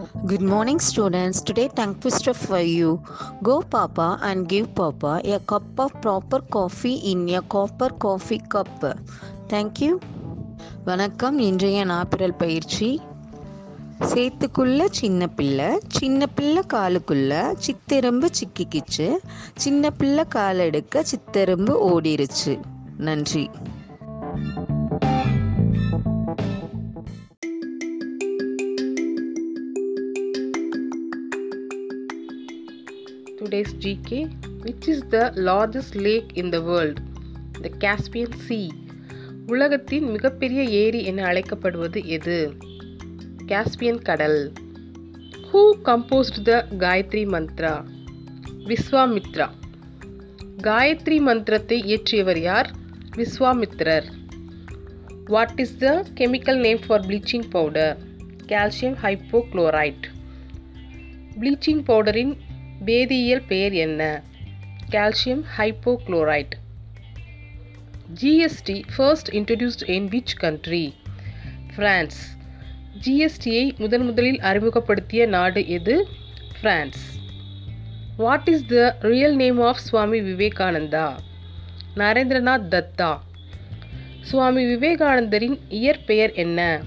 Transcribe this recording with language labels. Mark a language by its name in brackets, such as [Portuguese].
[English] Good morning students. Today tongue twister for you: Go papa and give papa a cup of proper coffee in a copper coffee cup. Thank you. [Tamil] வணக்கம். இன்றைய நாப்பிரல் பயிற்சி: சேத்துக்குள்ள சின்ன பிள்ளை, சின்ன பிள்ளை காலுக்குள்ள சித்தெறும்பு சிக்கிக்கிச்சு, சின்ன பிள்ளை கால் எடுக்க சித்தெறும்பு ஓடிருச்சு. நன்றி. [English] Today's GK: Which is the largest lake in the world? The Caspian Sea. [Tamil] உலகத்தின் மிகப்பெரிய ஏரி என அழைக்கப்படுவது எது? Caspian கடல். [English] Who composed the Gayatri Mantra? Vishwamitra. [Tamil] Gayatri மந்திரத்தை இயற்றியவர் யார்? விஸ்வாமித்ரர். [English] What is the chemical name for bleaching powder? Calcium hypochlorite. [Tamil] Bleaching powderின் வேதியியல் பெயர் என்ன? Calcium hypochlorite. [English] GST first introduced in which country? France. [Tamil] GST-ஐ முதன் முதலில் அறிமுகப்படுத்திய நாடு எது? [English] France. What is the real name of Swami Vivekananda? [Tamil] Narendranath Datta. சுவாமி விவேகானந்தரின் இயற்பெயர் என்ன?